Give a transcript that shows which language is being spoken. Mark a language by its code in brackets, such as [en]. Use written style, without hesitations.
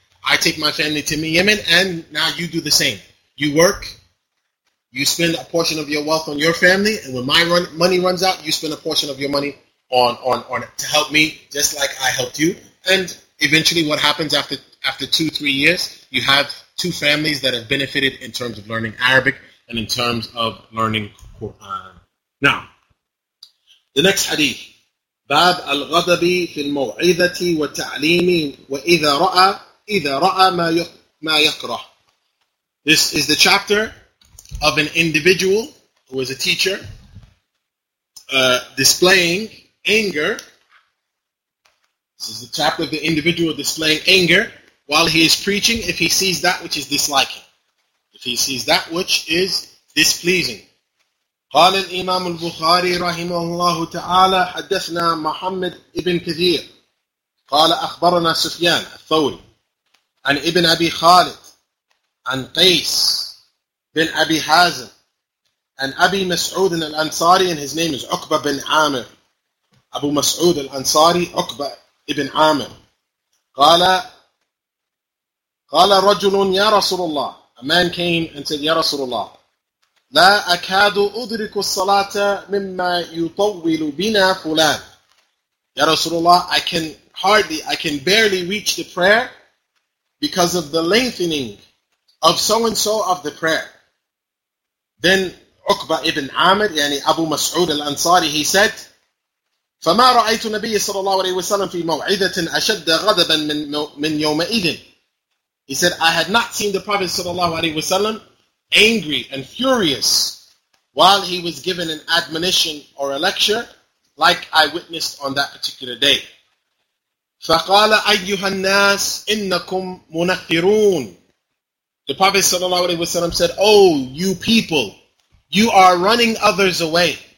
[en] I take my family to Yemen, and now you do the same. You work, you spend a portion of your wealth on your family, and when my money runs out, you spend a portion of your money on to help me, just like I helped you. And eventually what happens after 2-3 years, you have two families that have benefited in terms of learning Arabic and in terms of learning Quran. Now, the next hadith. [ar] باب الغضب في الموعظة والتعليم وإذا رأى ما يكره. [en] This is the chapter of an individual who is a teacher displaying anger. This is the chapter of the individual displaying anger while he is preaching if he sees that which is disliking. If he sees that which is displeasing. [ar] قال الإمام البخاري رحمه الله تعالى حدثنا محمد ابن كثير قال أخبرنا سفيان الثوري عن ابن أبي خالد عن قيس بن أبي حازم عن أبي مسعود الأنصاري [en] and his name is [ar] عقبة بن عامر أبو مسعود الأنصاري عقبة ابن عامر قال رجل يا رسول الله [en] a man came and said [ar] يا رسول الله لا أكاد أدرك الصلاة مما يطول بنا فلان. يا رسول الله, [en] I can barely reach the prayer because of the lengthening of so and so of the prayer. [ar] Then عقبة ابن عامر, يعني أبو مسعود الأنصاري, [en] he said, [ar] فما رأيت النبي صلى الله عليه وسلم في موعدة أشد غضبا من يومئذ. [en] He said, I had not seen the Prophet صلى الله عليه وسلم angry and furious while he was given an admonition or a lecture like I witnessed on that particular day. [ar] فَقَالَ أَيُّهَا النَّاسِ إِنَّكُمْ مُنَقِّرُونَ [en] The Prophet sallallahu alaihi wasallam said, Oh, you people, you are running others away.